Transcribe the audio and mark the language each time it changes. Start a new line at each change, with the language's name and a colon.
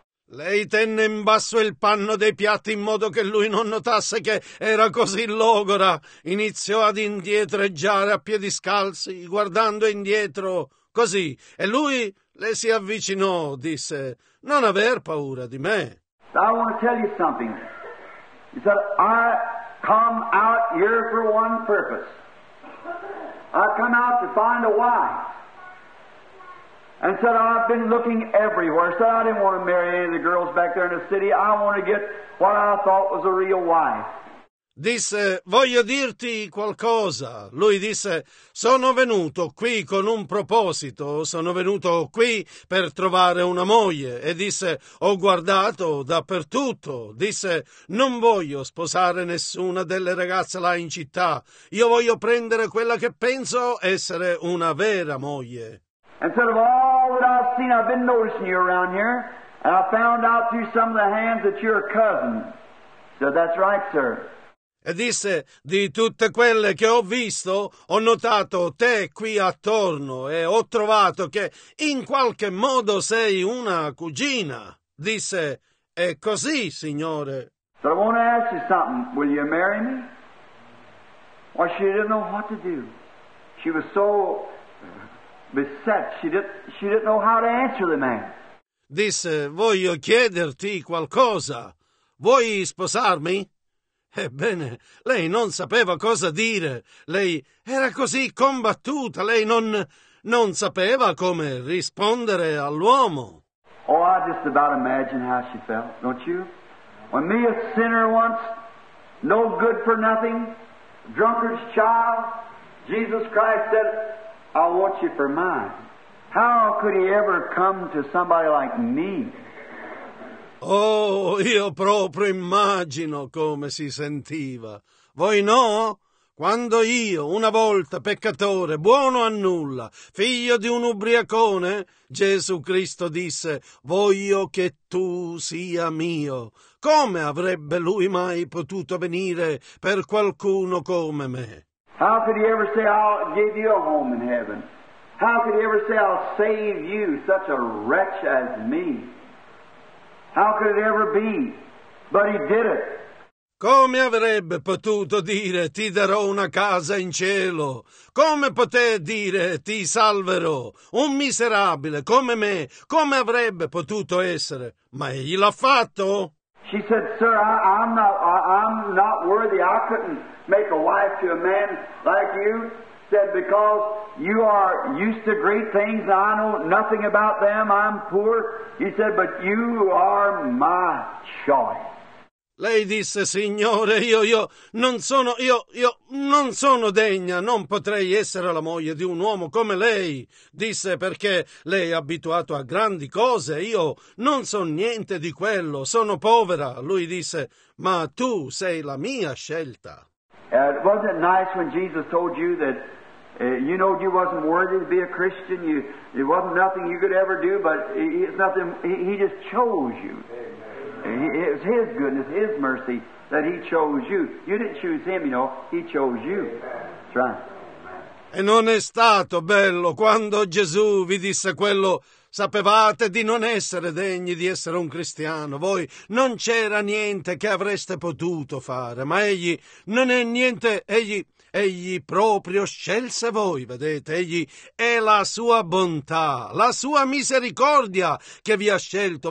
Italian: Lei tenne in basso il panno dei piatti in modo che lui non notasse che era così logora. Iniziò ad indietreggiare a piedi scalzi, guardando indietro, così. E lui le si avvicinò, disse, non aver paura di me.
English: I want to tell you something. He said, I come out here for one purpose. I come out to find a wife. And said, I've been looking everywhere. Said, I didn't want to marry any of the girls back there in the city. I want to get what I thought was a real wife.
Italian: disse: voglio dirti qualcosa. Lui disse: sono venuto qui con un proposito, sono venuto qui per trovare una moglie. E disse: ho guardato dappertutto. Disse: non voglio sposare nessuna delle ragazze là in città. Io voglio prendere quella che penso essere una vera moglie.
English: Instead of all that I've seen, I've been noticing you around here, and I found out through some of the hands that you're a cousin. So that's right, sir.
Italian: E disse: di tutte quelle che ho visto, ho notato te qui attorno e ho trovato che in qualche modo sei una cugina. Disse: è così, signore.
English: So I want to ask you something. Will you marry me? Well, she didn't know what to do. She was so beset, she didn't know how to answer the man.
Italian: Disse: voglio chiederti qualcosa. Vuoi sposarmi? Ebbene, lei non sapeva cosa dire. Lei era così combattuta. Lei non sapeva come rispondere all'uomo.
English: Oh, I just about imagine how she felt, don't you? When me a sinner once, no good for nothing, drunkard's child, Jesus Christ said, I want you for mine. How could he ever come to somebody like me?
Italian: Oh, io proprio immagino come si sentiva. Voi no? Quando io, una volta, peccatore, buono a nulla, figlio di un ubriacone, Gesù Cristo disse: voglio che tu sia mio. Come avrebbe lui mai potuto venire per qualcuno come me?
English: How could he ever say, I'll give you a home in heaven? How could he ever say, I'll save you, such a wretch as me? How could it ever be? But he did it.
Italian: Come avrebbe potuto dire, ti darò una casa in cielo? Come poté dire, ti salverò? Un miserabile come me, come avrebbe potuto essere? Ma egli l'ha fatto.
English: She said, sir, I'm not worthy. I couldn't make a wife to a man like you. Said, because you are used to great things, and I know nothing about them, I'm poor. He said, but you are my choice.
Italian: Lei disse: signore, io non sono degna, non potrei essere la moglie di un uomo come lei. Disse: perché lei è abituato a grandi cose, io non so niente di quello, sono povera. Lui disse: ma tu sei la mia scelta.
English: Wasn't it nice when Jesus told you that you know you wasn't worthy to be a Christian, it wasn't nothing you could ever do, but he just chose you. It was His goodness, His mercy, that He chose you. You didn't choose Him, you know. He chose you. That's right.
Italian: E non è stato bello quando Gesù vi disse quello: sapevate di non essere degni di essere un cristiano. Voi non c'era niente che avreste potuto fare, ma Egli non è niente. Egli proprio scelse voi, vedete, Egli è la sua bontà, la sua misericordia che vi ha scelto.